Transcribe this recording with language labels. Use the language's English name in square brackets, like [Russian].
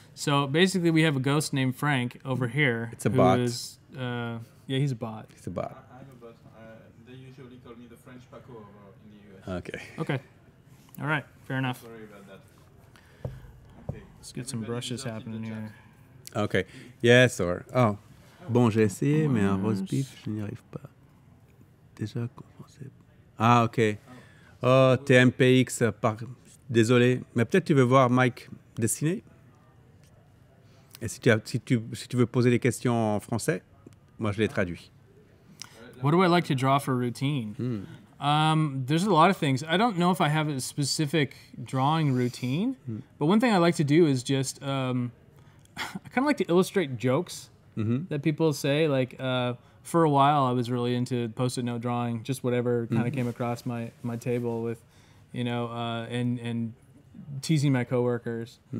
[English] So basically we have a ghost named Frank over here. It's a bot. Is, yeah, he's a bot. He's a bot. I'm a bot. They usually call me the French Paco over in the US. Okay. Okay. All right. Fair enough. Sorry about that. Let's get some brushes happening here. Okay. Yes, or... Oh. [French] Bon, j'ai essayé, mais un roast beef, je n'y arrive pas. Déjà, comment Ah, okay. Oh, TMPX, par... désolé. Mais peut-être tu veux voir Mike dessiner. Et si tu, as, si, tu, si tu veux poser des questions en français, moi, je les traduis. [English] What do I like to draw for routine? There's a lot of things. I don't know if I have a specific drawing routine, but one thing I like to do is just, I kind of like to illustrate jokes that people say. Like, for a while I was really into post-it note drawing, just whatever kind of came across my, my table with, you know, and teasing my coworkers.